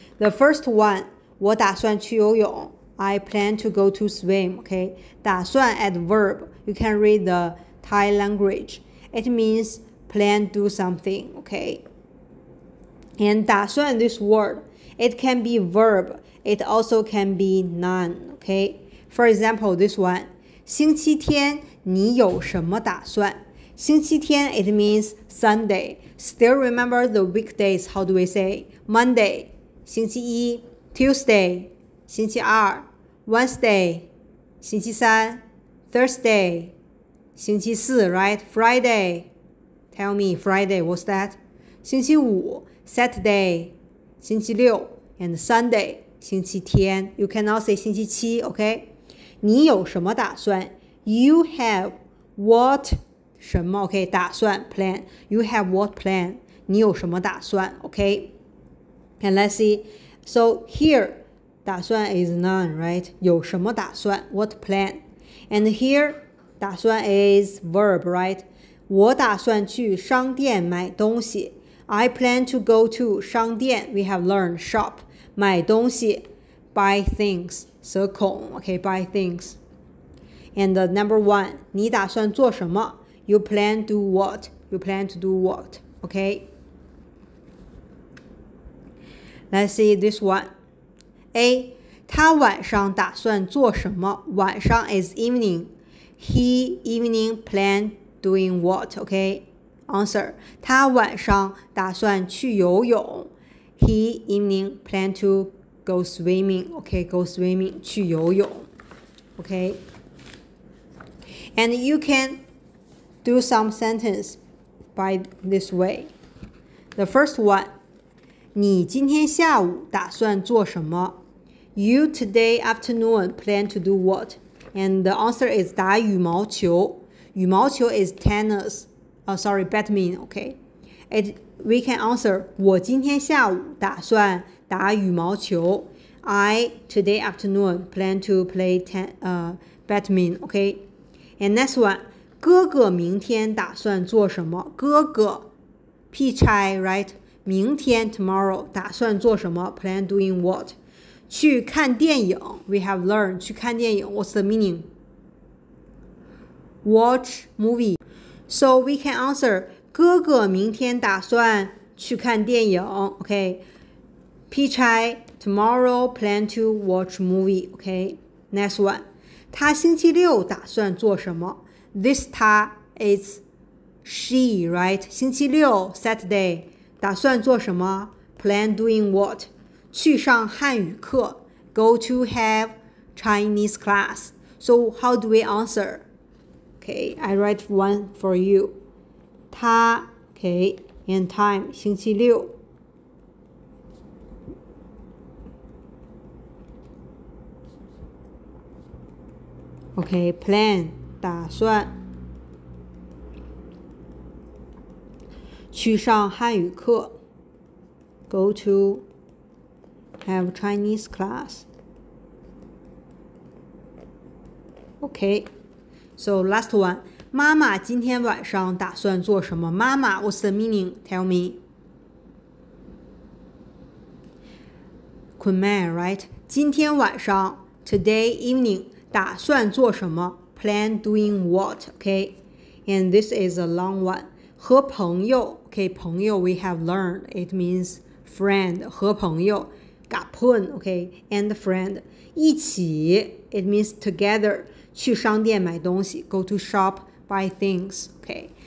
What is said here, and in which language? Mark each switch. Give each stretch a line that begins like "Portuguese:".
English: The first one,
Chinese: 我打算去游泳。
English: I plan to go to swim, okay? 打算 adverb, you can read the Thai language. It means plan do something, okay? And 打算 this word, it can be verb, it also can be noun, okay?
Chinese: For example, this one, 星期天你有什么打算?
English: 星期天 it means Sunday. Still remember the weekdays, how do we say? Monday, 星期一, Tuesday, 星期二,Wednesday, 星期三 Thursday, 星期四 right? Friday, tell me, Friday, what's that? 星期五 Saturday, 星期六 and Sunday, 星期天 You cannot say 星期七 okay?
Chinese: 你有什么打算
English: You have what
Chinese: 什么 okay?
English: 打算 plan. You have what plan?
Chinese: 你有什么打算 okay?
English: And let's see. So here,打算 is noun, right?
Chinese: 有什么打算?
English: What plan? And here, 打算 is verb, right?
Chinese: 我打算去商店买东西。
English: I plan to go to 商店, we have learned, shop, 买东西, buy things, 折扣, okay, buy things. And number one,
Chinese: 你打算做什么?
English: You plan to do what? You plan to do what? Okay? Let's see this one.
Chinese: A, 他晚上打算做什么?
English: 晚上 is evening. He evening plan doing what? Okay, answer.
Chinese: 他晚上打算去游泳。
English: He evening plan to go swimming. Okay, go swimming,
Chinese: 去游泳。
English: Okay. And you can do some sentence by this way. The first one,
Chinese: 你今天下午打算做什么?
English: You today afternoon plan to do what? And the answer is
Chinese: 打羽毛球。
English: 羽毛球 is tennis. Sorry, badminton, okay? We can answer
Chinese: 我今天下午打算打羽毛球。
English: I today afternoon plan to play badminton, okay? And next one,
Chinese: 哥哥明天打算做什么?
English: 哥哥 Pichai, right?
Chinese: 明天 tomorrow 打算做什么?
English: Plan doing what?
Chinese: 去看电影
English: we have learned, 去看电影 what's the meaning? Watch movie. So we can answer,
Chinese: 哥哥明天打算去看电影。
English: Okay. Pichai tomorrow plan to watch movie. Okay. Next one.
Chinese: 他星期六打算做什么？
English: This 他 is she, right?
Chinese: 星期六 Saturday 打算做什么？
English: Plan doing what?
Chinese: 去上汉语课。
English: Go to have Chinese class. So how do we answer? Okay, I write one for you. 他 okay, and time, 星期六。 Okay, plan, 打算。
Chinese: 去上汉语课。
English: Go to have Chinese class. Okay, so last one.
Chinese: 妈妈今天晚上打算做什么？妈妈
English: what's the meaning? Tell me. Kunmei, right? 今天晚上 today evening,
Chinese: 打算做什么？
English: Plan doing what? Okay, and this is a long one. 和朋友 okay, 朋友 we have learned. It means friend, 和朋友 gapun, okay, and friend. 一起 it means together. 去商店买东西 go to shop, buy things, okay.